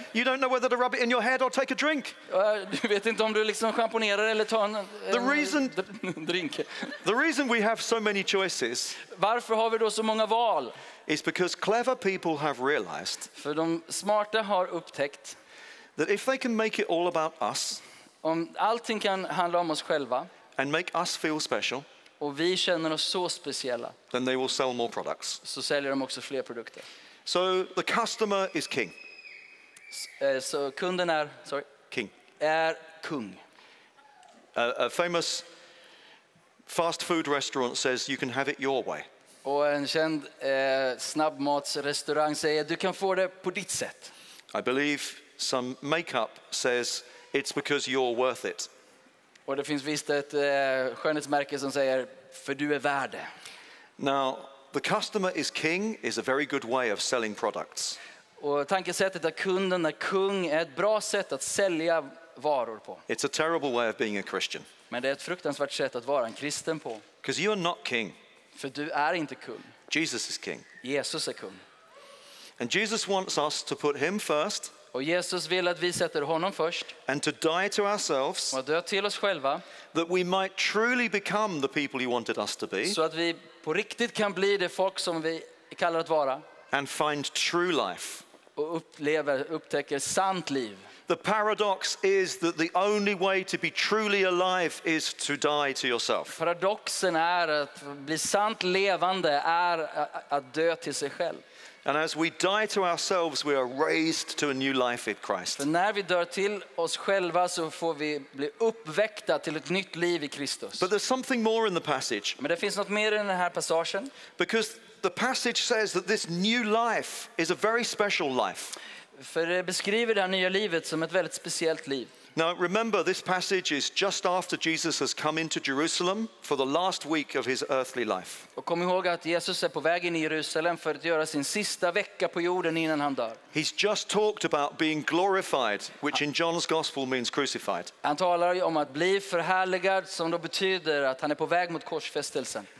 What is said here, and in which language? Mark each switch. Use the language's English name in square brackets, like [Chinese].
[English] You don't know whether to rub it in your head or take a drink. [Swedish] Du vet inte om du liksom schamponerar eller tar en drink. [English] The reason we have so many choices. [Swedish] Varför har vi då så många val? [English] Is because clever people have realized. [Swedish] För de smarta har upptäckt. [English] That if they can make it all about us. [Swedish] Om allting kan handla om oss själva. [English] And make us feel special. [Swedish] Och vi känner oss så speciella. [English] Then they will sell more products. [Swedish] Så säljer de också fler produkter. [English] So the customer is king. [Swedish] Så kunden är, sorry. [English] King. [Swedish] Är kung. [English] A famous fast food restaurant says you can have it your way. [Swedish] Och en känd snabbmatsrestaurang säger du kan få det på ditt sätt. [English] I believe some makeup says it's because you're worth it. [Swedish] Och det finns visst ett skönhetsmärke som säger för du är värd. [English] Now, the customer is king is a very good way of selling products. [Swedish] Och tankesättet att kunden är kung är ett bra sätt att sälja varor på. [English] It's a terrible way of being a Christian. [Swedish] Men det är ett fruktansvärt sätt att vara en kristen på. [English] Because you are not king. [Swedish] För du är inte kung. [English] Jesus is king. [Swedish] Jesus är kung. [English] And Jesus wants us to put him first. [Swedish] Och Jesus vill att vi sätter honom först. [English] And to die to ourselves. [Swedish] Och dö till oss själva. [English] That we might truly become the people he wanted us to be. [Swedish] Så att vi på riktigt kan bli det folk som vi kallar att vara. [English] And find true life. [Swedish] Och upptäcker sant liv. [English] The paradox is that the only way to be truly alive is to die to yourself. [Swedish] Paradoxen är att bli sant levande är att dö till sig själv. [English] And as we die to ourselves, we are raised to a new life in Christ. [Swedish] För när vi dör till oss själva så får vi bli uppväckta till ett nytt liv I Kristus. [English] But there's something more in the passage. [Swedish] Men det finns något mer I den här passagen. [English] Because the passage says that this new life is a very special life. [Swedish] För det beskriver det här nya livet som ett väldigt speciellt liv. [English] Now remember, this passage is just after Jesus has come into Jerusalem for the last week of his earthly life. [Swedish] Och kom ihåg att Jesus är på väg in I Jerusalem för att göra sin sista vecka på jorden innan han dör. [English] He's just talked about being glorified, which in John's gospel means crucified. [Swedish] Han talar om att bli förhärligad, som då betyder att han är på väg mot korsfästelsen.